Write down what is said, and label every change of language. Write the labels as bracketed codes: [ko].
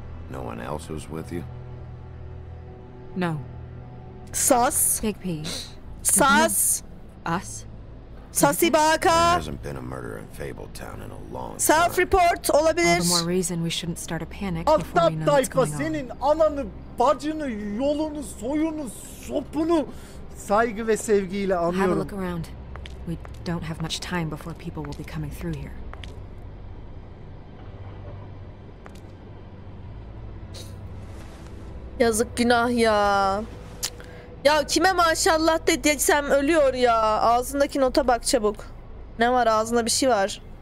[en] No one else was with you? No. Sus. Big P. Sus. Us. Sussy Baka. There hasn't been a murder in Fabletown in a long time. [tr] Self-report olabilir. [en] All the more reason we shouldn't start a panic before we know what's going on. [tr] tayfa senin alanı, bacını, yolunu, soyunu, sopunu saygı ve sevgiyle anıyorum. [en] Have a look around. We don't have much time before people will be coming through here. [tr] Yazık, günah ya. Ya kime maşallah dediysem ölüyor ya. Ağzındaki nota bak çabuk. Ne var, ağzında bir şey var.